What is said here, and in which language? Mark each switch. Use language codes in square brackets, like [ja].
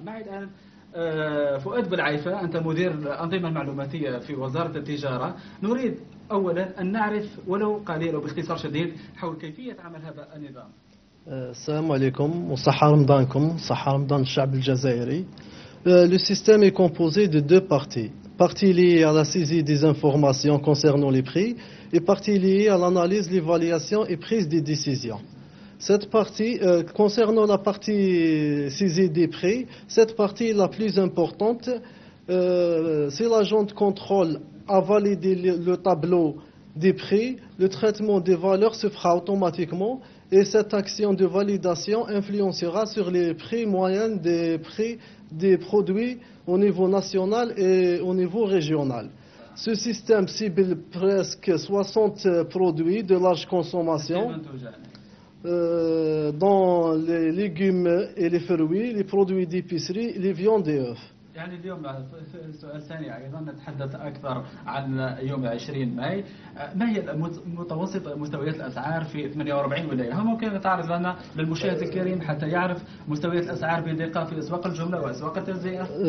[ar] معي الآن فؤاد بالعيفة، أنت مدير الأنظمة المعلوماتية في وزارة التجارة. نريد أولا أن نعرف ولو قليلا وباختصار شديد حول كيفية عمل هذا النظام. السلام عليكم وصحة رمضانكم، صحة رمضان الشعب الجزائري. [fr] Le système est composé de deux parties. Partie liée à la saisie des informations concernant les prix et partie liée à l'analyse, l'évaluation et prise des décisions. Cette partie, concernant la partie saisie des prix, cette partie est la plus importante. C'est l'agent de contrôle à valider le tableau des prix. Le traitement des valeurs se fera automatiquement et cette action de validation influencera sur les prix moyens des prix des produits au niveau national et au niveau régional. Ce système cible presque 60 produits de large consommation. Dans les légumes et les fruits, les produits d'épicerie, les viandes et œufs. [ar] يعني اليوم سؤال ثاني ايضا، نتحدث اكثر عن يوم 20 ماي، ما هي متوسط مستويات الاسعار في 48 ولايه؟ هل ممكن تعرض لنا للمشاهد الكريم حتى يعرف مستويات الاسعار بدقه في اسواق الجمله واسواق التجزئه؟